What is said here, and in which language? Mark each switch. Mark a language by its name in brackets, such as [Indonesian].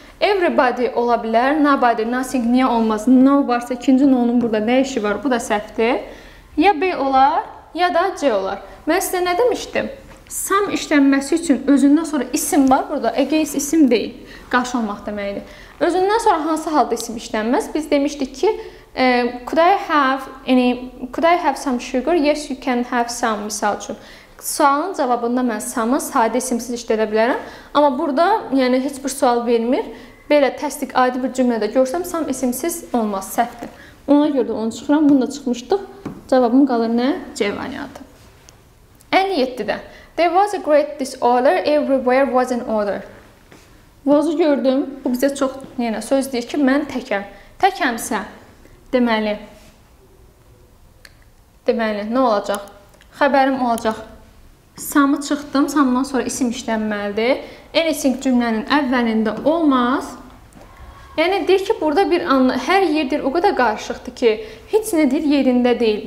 [Azerbaijani] Everybody ola bilər, nobody, nothing, niyə olmaz, no varsa, ikinci no-nun burada nə işi var, bu da səhvdir. Ya B olar, ya da C olar. Mən sizə nə demişdim? Some işlənməsi üçün özündən sonra isim var burada, against isim deyil, qarşı olmaq deməkdir. Özündən sonra hansı halda isim işlənməz? Biz demişdik ki, [English] could I have some sugar? Yes, you can have some, [Azerbaijani] misal üçün. Sualın cavabında mən some-ı sadə isimsiz işlədə bilərəm. Amma burada yəni, heç bir sual vermir. Belə təsdiq, adi bir cümlədə görsəm, some isimsiz olmaz, səhvdir. Ona görə də onu çıxıram, bunu da çıxmışdıq. Cavabım qalır nə? C variantı. 57-də. [English] There was a great disorder, everywhere was in order. [Azerbaijani] Was-u gördüm, bu bizə çox yenə söz deyir ki, mən təkəm. Təkəmsə, deməli, Deməli, nə olacaq? Xəbərim olacaq. Samı çıxdım, samdan sonra isim işlənməlidir. Anything cümlənin əvvəlində olmaz. Yəni, deyir ki, burada bir anla, hər yerdir o qədər qarışıqdır ki, heç nə deyir yerində deyil.